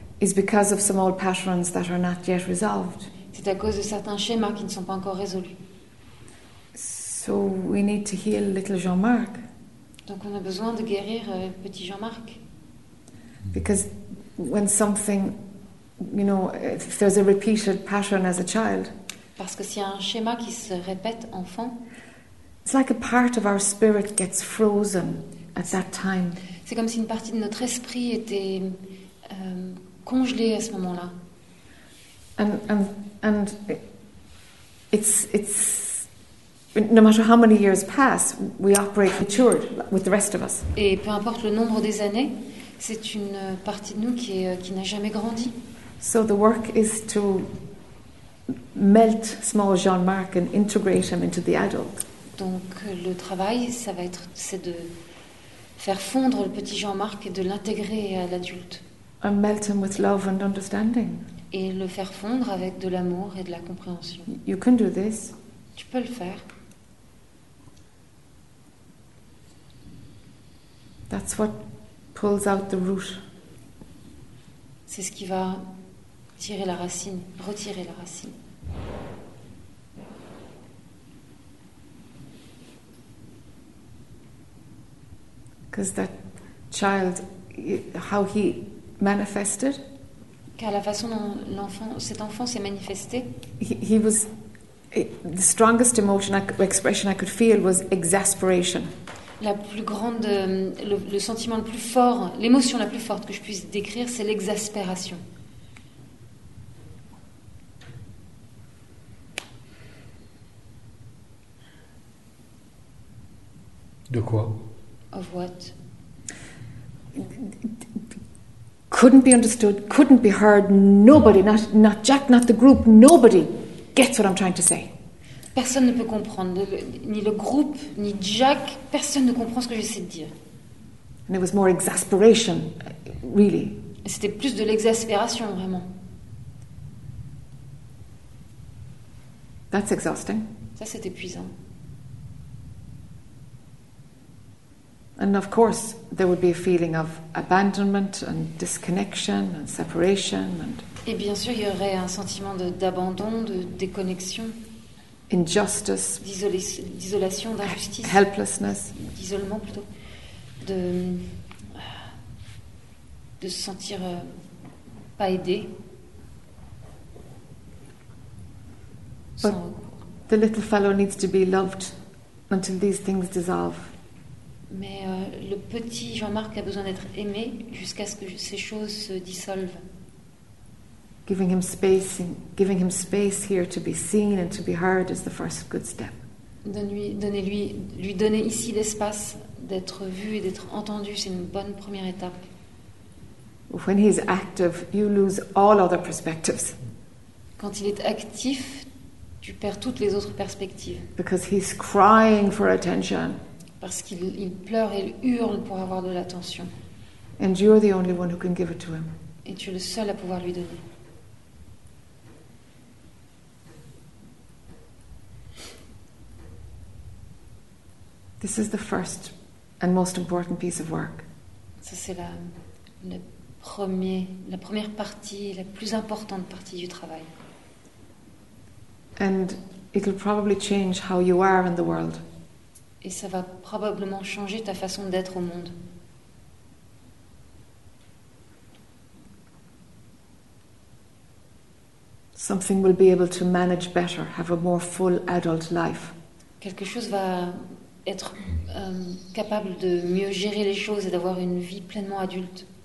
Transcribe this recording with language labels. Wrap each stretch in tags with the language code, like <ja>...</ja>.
<en>Is because of some old patterns that are not yet resolved.</en> <fr>C'est à cause de certains schémas qui ne sont pas encore résolus.</fr> <en>So we need to heal little Jean-Marc.</en> <fr>Donc on a besoin de guérir petit Jean-Marc.</fr> <en>Because when something, you know, if there's a repeated pattern as a child.</en> <fr>Parce que s'il y a un schéma qui se répète enfant,</fr> <en>it's like a part of our spirit gets frozen at that time.</en> <fr>C'est comme si une partie de notre esprit était congelée à ce moment-là.</fr> <en>And it's no matter how many years pass, we operate matured with the rest of us.</en> <fr>Et peu importe le nombre des années, c'est une partie de nous qui n'a jamais grandi.</fr> <en>So the work is to melt small Jean-Marc and integrate him into the adult.</en> <fr>Donc le travail, ça va être, c'est de faire fondre le petit Jean-Marc et de l'intégrer à l'adulte.</fr> <en>And melt him with love and understanding.</en> <fr>Et le faire fondre avec de l'amour et de la compréhension.</fr> <en>You can do this.</en> <fr>Tu peux le faire.</fr> <en>That's what pulls out the root.</en> <fr>C'est ce qui va tirer la racine, retirer la racine.</fr> <en>Because that child, how he manifested.</en> <fr>Car la façon dont l'enfant, cet enfant s'est manifesté.</fr> <en>He was the strongest emotion expression I could feel was exasperation.</en> <fr>La plus grande, le sentiment le plus fort, l'émotion la plus forte que je puisse décrire, c'est l'exaspération. De quoi?</fr> <en>Of what? Couldn't be understood, couldn't be heard, nobody, not Jack, not the group, nobody gets what I'm trying to say.</en> <fr>Personne ne peut comprendre, ni le groupe, ni Jack, personne ne comprend ce que j'essaie de dire.</fr> <en>And it was more exasperation, really.</en> <fr>C'était plus de l'exaspération, vraiment.</fr> <en>That's exhausting.</en> <fr>Ça, c'est épuisant.</fr> <en>And of course, there would be a feeling of abandonment and disconnection and separation. And</en> <fr>et bien sûr, il y aurait un sentiment d'abandon, de déconnexion.</fr> <en>Injustice.</en> <fr>D'isolation, d'injustice.</fr> <en>Helplessness.</en> <fr>D'isolement, plutôt. De se sentir pas aidé.</fr> <en>But the little fellow needs to be loved until these things dissolve.</en> <fr>Mais le petit Jean-Marc a besoin d'être aimé jusqu'à ce que ces choses se dissolvent.</fr> <en>Giving him space here to be seen and to be heard is the first good step.</en> <fr>Lui donner ici l'espace d'être vu et d'être entendu, c'est une bonne première étape.</fr> <en>When he's active, you lose all other perspectives.</en> <fr>Quand il est actif, tu perds toutes les autres perspectives.</fr> <en>Because he's crying for attention.</en> <fr>Parce qu'il pleure et il hurle pour avoir de l'attention.</fr> <en>And you're the only one who can give it to him.</en> <fr>Et tu es le seul à pouvoir lui donner.</fr> <en>This is the first and most important piece of work.</en> <fr>Ça, c'est la première partie, la plus importante partie du travail.</fr> <en>And it will probably change how you are in the world.</en> <fr>Et ça va probablement changer ta façon d'être au monde.</fr> <en>Something will be able to manage better, have a more full adult life.</en> <fr>Quelque chose va être capable de mieux gérer les choses et d'avoir une vie pleinement adulte.</fr>